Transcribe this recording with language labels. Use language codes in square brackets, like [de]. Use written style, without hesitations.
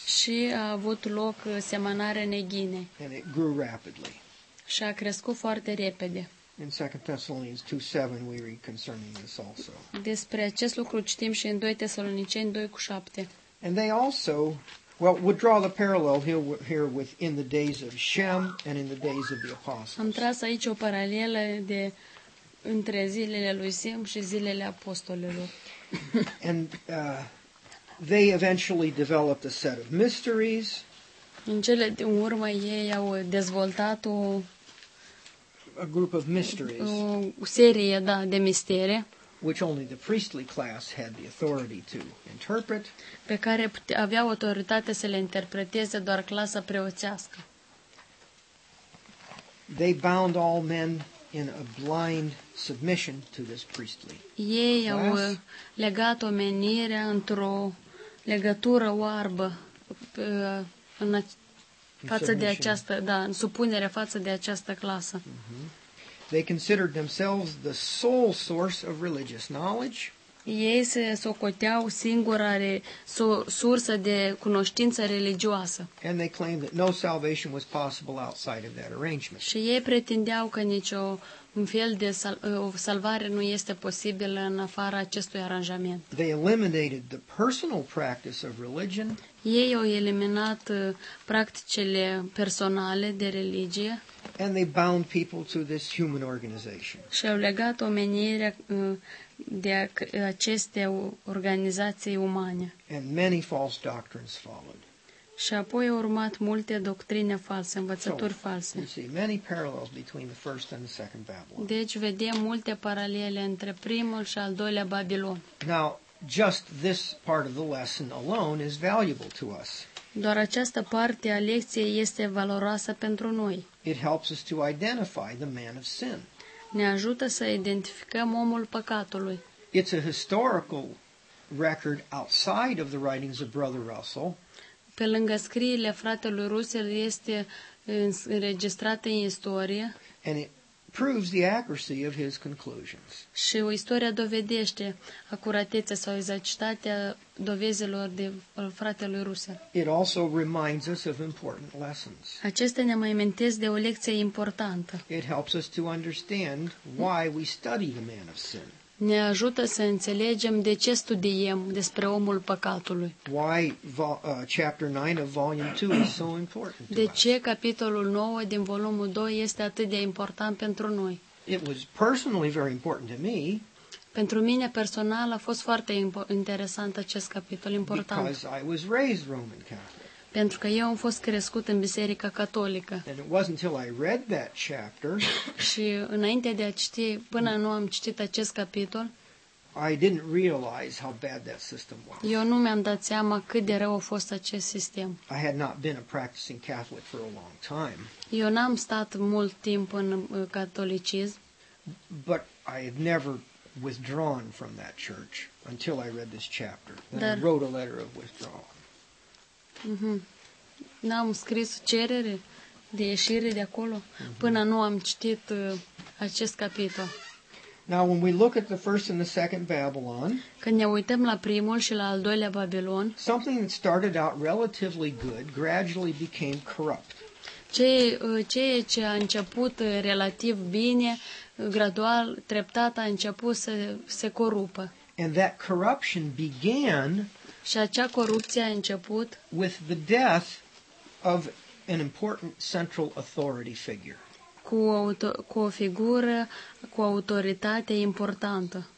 [ro] Și a avut loc semănarea neghinei. [en] And it grew rapidly. [ro] Și a crescut foarte repede. [en] In 2 Thessalonians 2:7 we read concerning this also. [ro] Despre acest lucru citim și în 2 Tesaloniceni 2:7. [en] And they also, well, we'll draw the parallel here with in the days of Shem and in the days of the apostles. [ro] Am tras aici o paralelă de între zilele lui Sem și zilele apostolilor. [en] And they eventually developed a set of mysteries. [ro] În cele din urmă ei au dezvoltat o [en] a group of mysteries. [ro] O serie, da, de misterii. [en] Which only the priestly class had the authority to interpret. [ro] Pe care avea autoritate să le interpreteze doar clasa preoțească. [en] They bound all men in a blind submission to this priestly class. [ro] Ei au legat omenirea într-o legătură oarbă în față de această, da, în supunere față de această clasă. [en] They considered themselves the sole source of religious knowledge. [ro] Ei se socoteau singura sursă de cunoștință religioasă. [en] And they claimed that no salvation was possible outside of that arrangement. [ro] Și ei pretindeau că nicio un fel de salvare nu este posibilă în afara acestui aranjament. [en] They eliminated the personal practice of religion. [ro] Ei au eliminat practicile personale de religie. [en] And they bound people to this human organization. [ro] Și au legat omenirea de aceste organizații umane. [en] And many false doctrines followed. [ro] Și apoi au urmat multe doctrine false, învățături false. [en] You see many parallels between the first and the second Babylon. [ro] Deci vedem multe paralele între primul și al doilea Babilon. [en] Now, just this part of the lesson alone is valuable to us. [ro] Doar această parte a lecției este valoroasă pentru noi. [en] It helps us to identify the man of sin. [ro] Ne ajută să identificăm omul păcatului. [en] It's a historical record outside of the writings of Brother Russell. [ro] Pe lângă scrierile fratelui Russell este înregistrată în istorie. [en] And it proves the accuracy of his conclusions. [ro] Și o istoria dovedește acuratețea sau exactitatea dovezilor de fratelui Russell. [en] It also reminds us of important lessons. [ro] Acestea ne mai amintesc de o lecție importantă. [en] It helps us to understand why we study the man of sin. [ro] Ne ajută să înțelegem de ce studiem despre omul păcatului. [en] Why chapter 9 of volume 2 is so important? [ro] De ce capitolul 9 din volumul 2 este atât de important pentru noi? [en] It was personally very important to me. [ro] Pentru mine personal a fost foarte interesant acest capitol important. [en] Because I was raised Roman Catholic. [ro] Pentru că eu am fost crescut în Biserica Catolică. [en] And it wasn't until I read that chapter, [ro] și înainte de a citi, până nu am citit acest capitol, [en] I didn't realize how bad that system was. [ro] Eu nu mi-am dat seama cât de rău a fost acest sistem. [en] I had not been a practicing Catholic for a long time. [ro] Eu n-am stat mult timp în catolicism. [en] But I had never withdrawn from that church until I read this chapter. Then I wrote a letter of withdrawal. [ro] N-am scris cerere de ieșire de acolo până nu am citit acest capitol. [en] Now when we look at the first and the second Babylon, [ro] când ne uităm la primul și la al doilea Babilon, [en] something that started out relatively good gradually became corrupt. [ro] Ceea ce a început relativ bine, gradual, treptat a început să se corupă. [en] And that corruption began [ro] și acea corupție a început [en] with the death of an important central authority figure. [ro] Cu o figură, cu autoritate importantă.